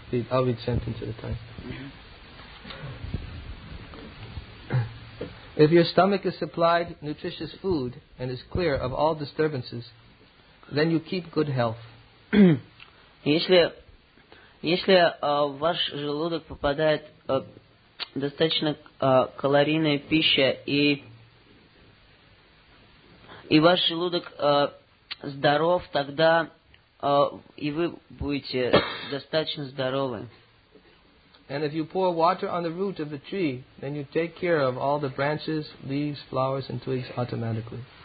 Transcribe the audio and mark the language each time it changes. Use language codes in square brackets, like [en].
[en] I'll read sentence at a time. If your stomach is supplied nutritious food and is clear of all disturbances, then you keep good health. [ru] Если ваш желудок попадает достаточно калорийная пища и ваш желудок здоров, тогда и вы будете достаточно здоровы. [en] And if you pour water on the root of the tree, then you take care of all the branches, leaves, flowers, and twigs automatically.